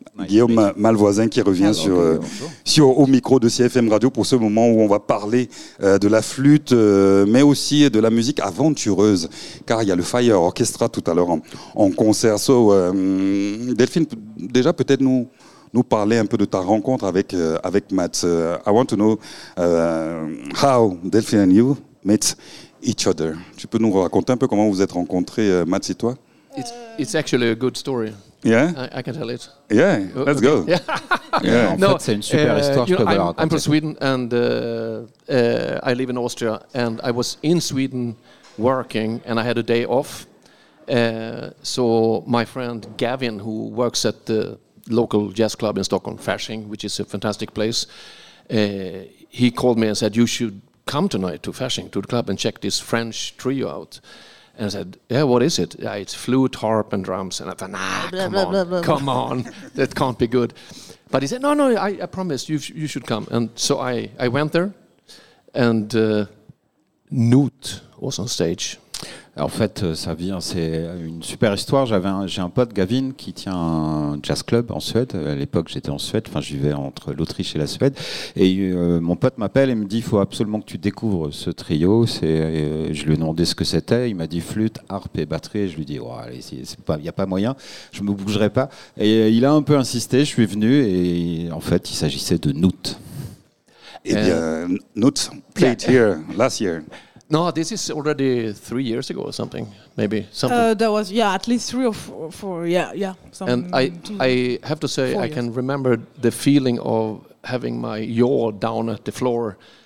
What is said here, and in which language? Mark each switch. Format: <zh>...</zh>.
<fr>Guillaume Malvoisin qui revient au micro de CFM Radio pour ce moment où on va parler de la flûte, mais aussi de la musique aventureuse, car il y a le Fire Orchestra tout à l'heure en concert.</fr> <en>So,</en> <fr>Delphine, déjà peut-être nous parler un peu de ta rencontre avec Matt.</fr> <en>I want to know how Delphine and you met each other.</en> <fr>Tu peux nous raconter un peu comment vous êtes rencontrés, Matt et toi?</fr> <en>It's actually a good story. Yeah, I can tell it. Yeah, let's go. I'm from Sweden and I live in Austria. And I was in Sweden working, and I had a day off. So my friend Gavin, who works at the local jazz club in Stockholm, Fasching, which is a fantastic place, he called me and said, "You should come tonight to Fasching, to the club, and check this French trio out." And I said, "Yeah, what is it?" "Yeah, it's flute, harp, and drums." And I thought, "Nah, come on, that can't be good." But he said, no, I promise, you should come." And so I went there, and Knut was on stage.</en> <fr>En fait, ça vient, c'est une super histoire. J'ai un pote, Gavin, qui tient un jazz club en Suède. À l'époque, j'étais en Suède. Enfin, je vivais entre l'Autriche et la Suède. Et mon pote m'appelle et me dit, il faut absolument que tu découvres ce trio. Je lui ai demandé ce que c'était. Il m'a dit flûte, harpe et batterie. Et je lui dis, oh, allez, y a pas moyen. Je me bougerai pas. Et il a un peu insisté. Je suis venu et en fait, il s'agissait de Knut.</fr> <en>Knut played here last year. No, this is already 3 years ago or something, maybe. Something. That was, at least three or four, yeah. Something. And I have to say, can remember the feeling of having my jaw down at the floor.</en>